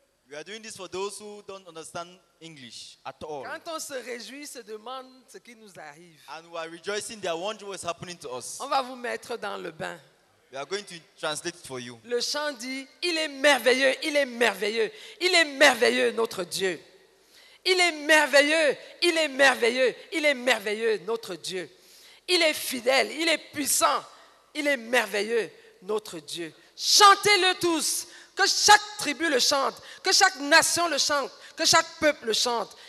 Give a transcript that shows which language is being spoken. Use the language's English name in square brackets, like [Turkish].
[English] We are doing this for those who don't understand English at all. [French] Quand on se réjouit, se demande ce qui nous arrive. [English] And we are rejoicing, they are wondering what's happening to us. [French] On va vous mettre dans le bain. [English] We are going to translate it for you. [French] Le chant dit, il est merveilleux, il est merveilleux, il est merveilleux notre Dieu. Il est merveilleux, il est merveilleux, il est merveilleux notre Dieu. Il est fidèle, il est puissant, il est merveilleux notre Dieu. Chantez-le tous, que chaque tribu le chante, que chaque nation le chante, que chaque peuple le chante.